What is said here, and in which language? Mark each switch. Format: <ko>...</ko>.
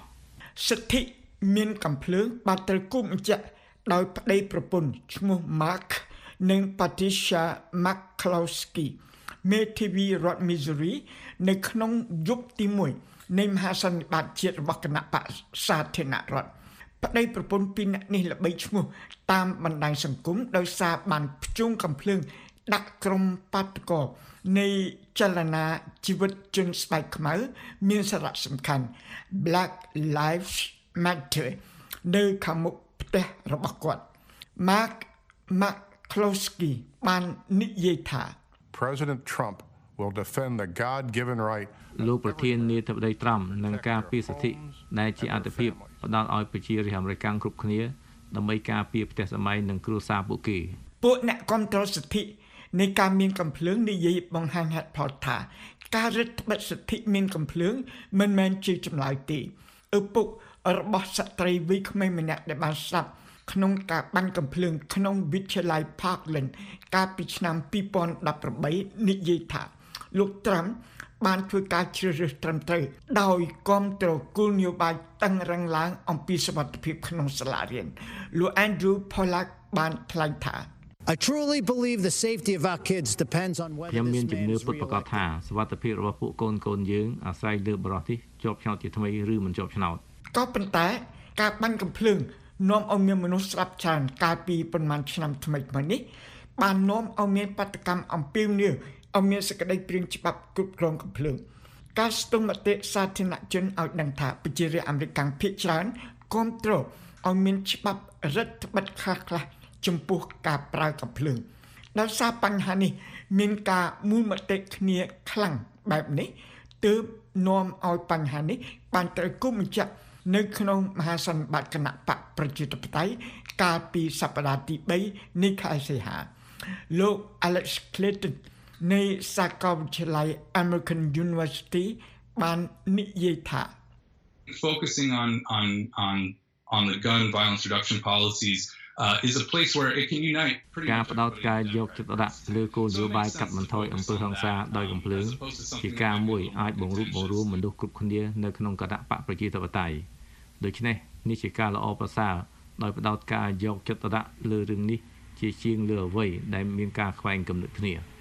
<km>សិទ្ធិមានកំភ្លើងបាត់ត្រូវគុំអញ្ចឹងដោយប្តីប្រពន្ធឈ្មោះ Mark និង Patricia McClosky មេធាវីរដ្ឋ Missouri នៅក្នុងយុគទី1នៃមហាសន្និបាតជាតិរបស់គណៈបក្សសាធារណរដ្ឋប្តីប្រពន្ធពីរនាក់នេះល្បីឈ្មោះតាមបណ្ដាញសង្គមដោយសារបានផ្ជុំកំភ្លើងដាក់ក្រុមបាតកោ នៃចលនាជីវិតជនស្បែកខ្មៅមានសារៈសំខាន់ Black Lives Matter នៅខាងមុខផ្ទះរបស់គាត់ Mark McCloskey បាននិយាយថា</km> <en>President Trump will defend the God-given right</en> <km>លោកប្រធាននាយកប្តី Trump នឹងការពារសិទ្ធិដែលជាអត្ថិភាពផ្ដល់ឲ្យប្រជារាស្ត្រអាមេរិកគ្រប់គ្នាដើម្បីការពារផ្ទះសម្បែងនិងគ្រួសារពួកគេ ពួកអ្នកគាំទ្រសិទ្ធិ នៃការមានកំភ្លើងនិយាយបង្ហាញហេតុផលថាការរឹតបន្តឹងសិទ្ធិមានកំភ្លើងមិនមែនជាចម្លើយទេឪពុករបស់ស្ត្រីវ័យក្មេងម្នាក់ដែលបានស្លាប់ក្នុងការបាញ់កំភ្លើងក្នុងវិទ្យាល័យ Parkland កាលពីឆ្នាំ2018និយាយថាលោកត្រាំបានធ្វើការជ្រើសរើសត្រឹមត្រូវដោយគាំទ្រគោលនយោបាយតឹងរឹងឡើងអំពីសុវត្ថិភាពក្នុងសាលារៀនលោក Andrew Pollack បានថ្លែងថា</km> <en>I truly believe the safety of our kids depends on whether</en> <km>មានជំនឿពិតប្រាកដថាសុវត្ថិភាពរបស់ពួកកូនកូនយើងអាស្រ័យលើបរិបទនេះជាប់ឆ្នោតជាថ្មីឬមិនជាប់ឆ្នោត ក៏ប៉ុន្តែការបាញ់កំភ្លើងនាំឲ្យមានមនុស្សស្លាប់ច្រើនកាលពីប៉ុន្មានឆ្នាំថ្មីនេះបាននាំឲ្យមានបាតុកម្មអំពីមនុស្សអមេរិកសក្តិព្រៀងច្បាប់គ្រប់គ្រងកំភ្លើង កាស្ទុំមតិសាធារណជនឲ្យដឹងថាប្រជារាជអាមេរិកខាងភាគច្រើនគាំទ្រឲ្យមានច្បាប់រដ្ឋបិទខ្លះខ្លះចំពោះការប្រើកំភ្លើង ដោយសារបញ្ហានេះមានការមូលមតិគ្នាខ្លាំងបែបនេះទើបនាំឲ្យបញ្ហានេះបានត្រូវគុំបញ្ជាក់នៅក្នុងមហាសន្និបាតគណៈបកប្រជាធិបតេយ្យកាលពីសប្តាហ៍ទី3នៃខែសីហាលោក Alex Clinton នៃសាកលវិទ្យាល័យ American University បាននិយាយថា</km> <en>focusing on the gun violence reduction policies is a place where it can unite pretty</en> <km>ការផ្ដោតការយកចិត្តទុកដាក់លើគោលនយោបាយកាត់បន្ថយអំពើហិង្សាដោយកំភ្លើងជាការមួយអាចបង្រួបបង្រួមមនុស្សគ្រប់គ្នានៅក្នុងគណបកប្រជាធិបតេយ្យដូច្នេះនេះជាការល្អប្រសើរដោយផ្ដោតការយកចិត្តទុកដាក់លើរឿងនេះជាជាងលើអ្វីដែលមានការខ្វែងគំនិតគ្នា</km>